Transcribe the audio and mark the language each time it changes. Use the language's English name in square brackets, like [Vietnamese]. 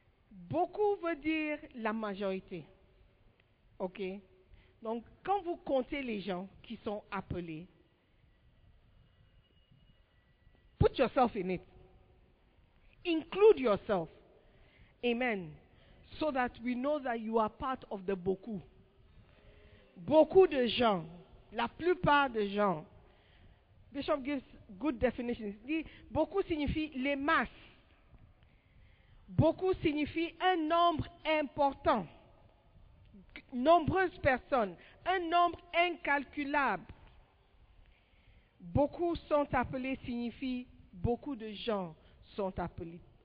[French] Beaucoup veut dire la majorité. OK? Donc, quand vous comptez les gens qui sont appelés, [English] put yourself in it. Include yourself. Amen. So that we know that you are part of the beaucoup. [French] Beaucoup de gens La plupart des gens. [English] Bishop gives good definitions. [French] Il dit, beaucoup signifie les masses. Beaucoup signifie un nombre important. Nombreuses personnes. Un nombre incalculable. Beaucoup sont appelés signifie beaucoup de gens sont appelés.